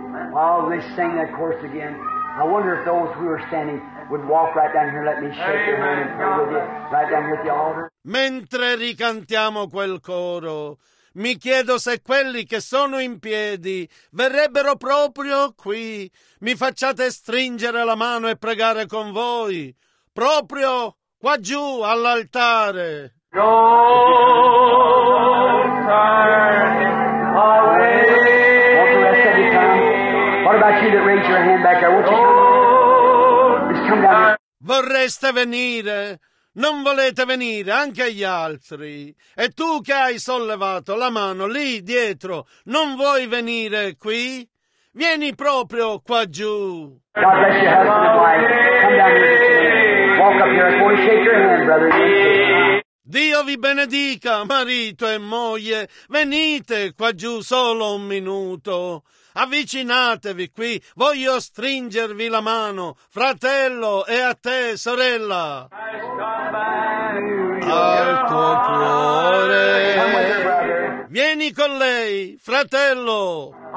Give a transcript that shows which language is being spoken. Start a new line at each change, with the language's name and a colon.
English: While they sing that chorus again, I wonder if those who are standing would walk right down here, let me shake your hand and pray with you, right down here at the altar.
Italian: Mentre ricantiamo quel coro, mi chiedo se quelli che sono in piedi verrebbero proprio qui. Mi facciate stringere la mano e pregare con voi, proprio qua giù all'altare.
English: Don't turn away. Want the rest of you come? What about you that raised your hand back there? Won't you come? Just come down here.
Italian: Vorreste venire? Non volete venire anche gli altri? E tu che hai sollevato la mano lì dietro, non vuoi venire qui? Vieni proprio qua giù.
English: God bless your husband and wife. Come down here. Walk up here. Boy, shake your hand, brother.
Italian: Dio vi benedica, marito e moglie. Venite qua giù solo un minuto. Avvicinatevi qui. Voglio stringervi la mano, fratello, e a te, sorella. Al tuo cuore. Vieni con lei, fratello.